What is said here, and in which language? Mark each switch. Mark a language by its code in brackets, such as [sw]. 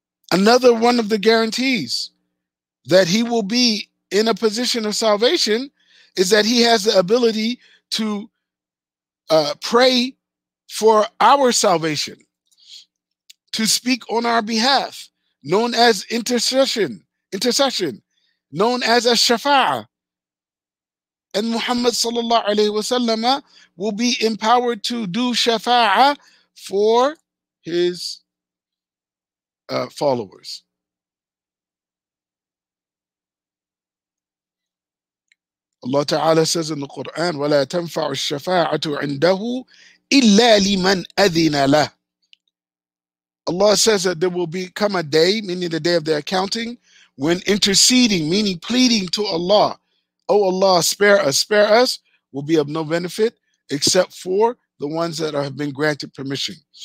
[en] Another one of the guarantees that he will be in a position of salvation is that he has the ability to pray for our salvation, to speak on our behalf, known as intercession, known as a shafa'ah. And Muhammad sallallahu alayhi wa sallam will be empowered to do shafa'ah for his followers. Allah Ta'ala says in the Quran, [ar] وَلَا تَنْفَعُ الشَّفَاعَةُ عِنْدَهُ إِلَّا لِمَنْ أَذِنَ لَهُ. [en] Allah says that there will become a day, meaning the day of the accounting, when interceding, meaning pleading to Allah, "Oh Allah, spare us," will be of no benefit except for the ones that have been granted permission.